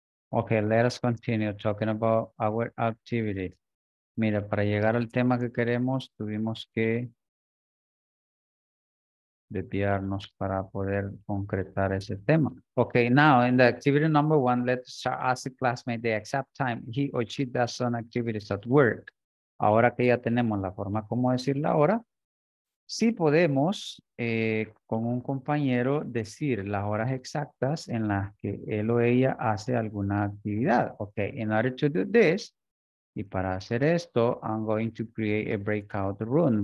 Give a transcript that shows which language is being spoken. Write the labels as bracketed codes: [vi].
[en] Ok, let us continue talking about our activity. [es] Mira, para llegar al tema que queremos, tuvimos que desviarnos para poder concretar ese tema. [en] Okay, now in the activity number one, let's start ask the classmate the exact time he or she does some activities at work. [es] Ahora que ya tenemos la forma como decirla ahora, sí podemos con un compañero decir las horas exactas en las que él o ella hace alguna actividad. [en] Okay, in order to do this, [es] y para hacer esto, [en] I'm going to create a breakout room.